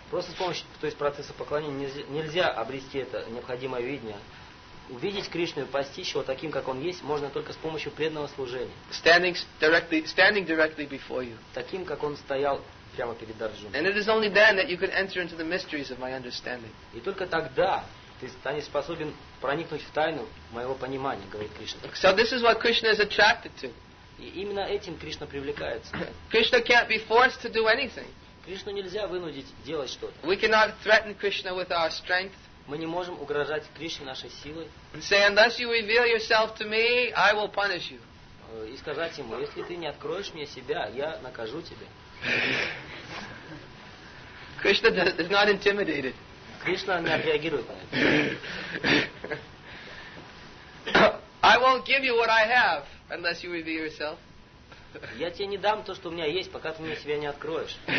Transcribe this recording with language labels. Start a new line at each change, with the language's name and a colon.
Russian: Просто с помощью, то есть процесса поклонения нельзя обрести это необходимое видение. Увидеть Кришну и постичь его таким, как он есть, можно только с помощью преданного служения.
English: Standing directly before you.
Russian: Таким, как он стоял прямо перед Арджуной.
English: And it is only then that you can enter into the mysteries of my understanding.
Russian: И только тогда ты станешь способен проникнуть в тайну моего понимания, говорит Кришна.
English: So this is what Krishna is attracted to.
Russian: И именно этим Кришна привлекается.
English: Krishna can't be forced to do anything.
Russian: Кришну нельзя вынудить делать что-то.
English: We cannot threaten Krishna with our strength.
Russian: Мы не можем угрожать Кришне нашей силой.
English: Say, unless you reveal yourself to me, I will punish you.
Russian: И сказать ему, если ты не откроешь мне себя, я накажу тебя.
English: Krishna is not intimidated.
Russian: Кришна не отреагирует на это.
English: I won't give you what I have, unless you reveal yourself.
Russian: Я тебе не дам то, что у меня есть, пока ты мне себя не откроешь.